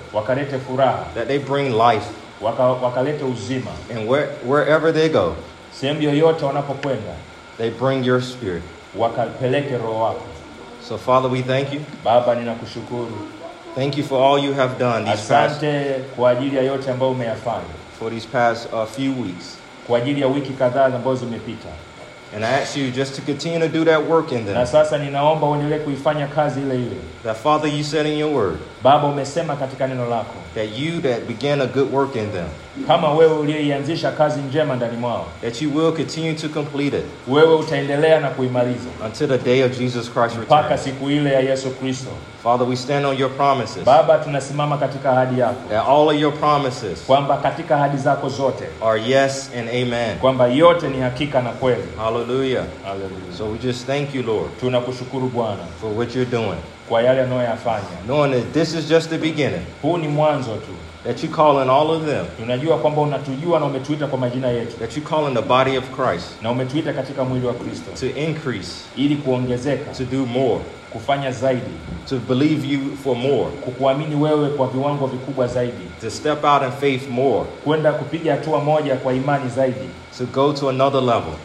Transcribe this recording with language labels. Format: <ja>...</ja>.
<sw>Wakalete furaha.</sw> <en>That they bring life.</en> <sw>Wakalete uzima.</sw> <en>And wherever they go.</en> <sw>Sehemu yoyote wanapokwenda.</sw> <en>They bring your spirit.</en> <sw>Wakapeleke roho wako.</sw> <en>So Father, we thank you.</en> <sw>Baba, ninakushukuru.</sw> <en>Thank you for all you have done these</en> <sw>Asante kwa ajili ya yote ambayo umeyafanya.</sw> <en>For these past few weeks.</en> <sw>Kwa ajili ya wiki kadhaa ambazo zimepita.</sw> <en>And I ask you just to continue to do that work in them.</en> <sw>Na sasa ninaomba uendelee kuifanya kazi ile ile.</sw> <en>The Father, you said in your word.</en> <sw>Baba, umesema katika neno lako.</sw> <en>That you that began a good work in them.</en> <sw>Kama wewe uliyeanzisha kazi njema ndani mwao.</sw> <en>That you will continue to complete it.</en> <sw>Wewe utaendelea na kuimaliza.</sw> <en>Until the day of Jesus Christ returns.</en> <sw>Mpaka siku ile ya Yesu Kristo.</sw> <en>Father, we stand on your promises.</en> <sw>Baba, tunasimama katika ahadi yako.</sw> <en>That all of your promises.</en> <sw>Kwamba katika ahadi zako zote.</sw> <en>Are yes and amen.</en> <sw>Kwamba yote ni hakika na kweli.</sw> <en>Hallelujah.</en> <sw>Hallelujah.</sw> <en>So we just thank you, Lord.</en> <sw>Tunakushukuru Bwana.</sw> <en>For what you're doing.</en> <sw>Kwa yale unayofanya.</sw> <en>Knowing that this is just the beginning.</en> <sw>Huu ni mwanzo tu.</sw> <en>That you call in all of them.</en> <sw>Unajua kwamba unatujua na umetuita kwa majina yetu.</sw> <en>That you call in the body of Christ.</en> <sw>Na umetuita katika mwili wa Kristo.</sw> <en>To increase.</en> <sw>Ili kuongezeka.</sw> <en>To do more.</en> <sw>Kufanya zaidi.</sw> <en>To believe you for more.</en> <sw>Kukuamini wewe kwa viwango vikubwa zaidi.</sw> <en>To step out in faith more.</en> <sw>Kwenda kupiga hatua moja kwa imani zaidi.</sw> <en>To go to another level.</en>